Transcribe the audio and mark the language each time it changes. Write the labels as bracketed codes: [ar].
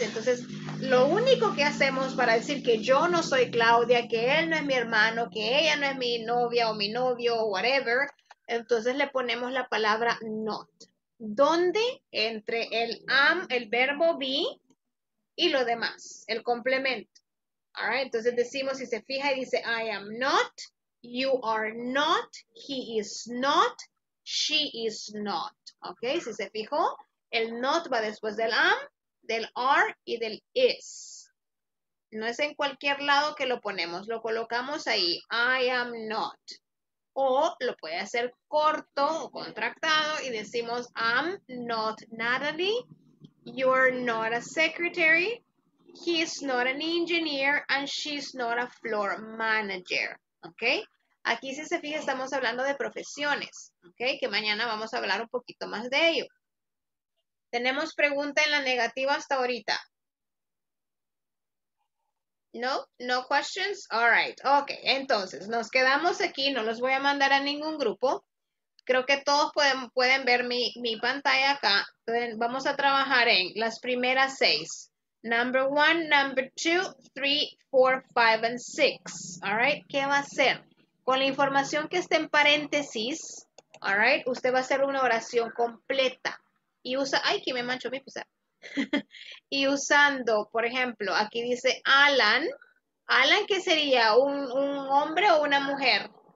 [es] Entonces, lo único que hacemos para decir que yo no soy Claudia, que él no es mi hermano, que ella no es mi novia o mi novio o whatever, entonces le ponemos la palabra not. ¿dónde? Entre el am, el verbo be y lo demás, el complemento. All right, entonces decimos, si se fija y dice, [en] I am not, you are not, he is not, [es] she is not. Ok, si se fijó, el not va después del am, del are y del is. No es en cualquier lado que lo ponemos, lo colocamos ahí, [en] I am not. [es] O lo puede hacer corto o contractado y decimos, [en] I'm not Natalie, you're not a secretary, he's not an engineer, and she's not a floor manager. ¿Ok? [es] Aquí, si se fija, estamos hablando de profesiones. ¿Ok? Que mañana vamos a hablar un poquito más de ello. ¿Tenemos pregunta en la negativa hasta ahorita? [en] No, no questions. All right. Ok, [es] entonces nos quedamos aquí. No los voy a mandar a ningún grupo. Creo que todos pueden ver mi pantalla acá. Entonces, vamos a trabajar en las primeras seis. [en] Number one, number two, three, four, five, and six. [es] All right. ¿Qué va a hacer? Con la información que está en paréntesis, all right, usted va a hacer una oración completa. Y usa, ay, que me manchó mi pizarra. Y usando, por ejemplo, aquí dice Alan. ¿Alan qué sería? ¿Un hombre o una mujer?